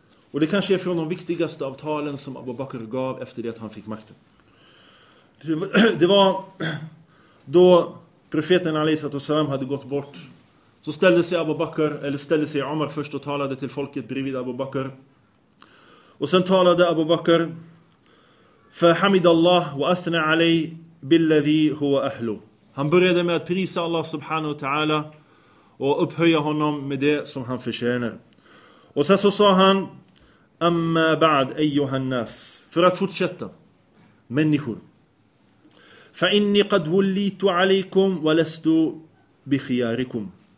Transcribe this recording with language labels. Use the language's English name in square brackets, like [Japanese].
[Swedish] Och det kanske är från de viktigaste av talen som Abu Bakr gav efter det att han fick makten. Det var då profeten a.s. hade gått bort. Så ställde sig Abu Bakr, eller ställde sig Omar först och talade till folket bredvid Abu Bakr. Och sen talade Abu Bakr: [Arabic] فحمد الله واثنى عليه بالذي هو اهله. [Swedish] Han började med att prisa Allah subhanahu wa ta'ala och upphöja honom med det som han förtjänar. Och sen så sa han: [Arabic] amma ba'd ayyuha an-nas. [Swedish] För att fortsätta: människor. [Arabic] فَإِنِّي قَدْ وُلِّيْتُ عَلَيْكُمْ وَلَسْتُ بِخِيَارِكُمْ.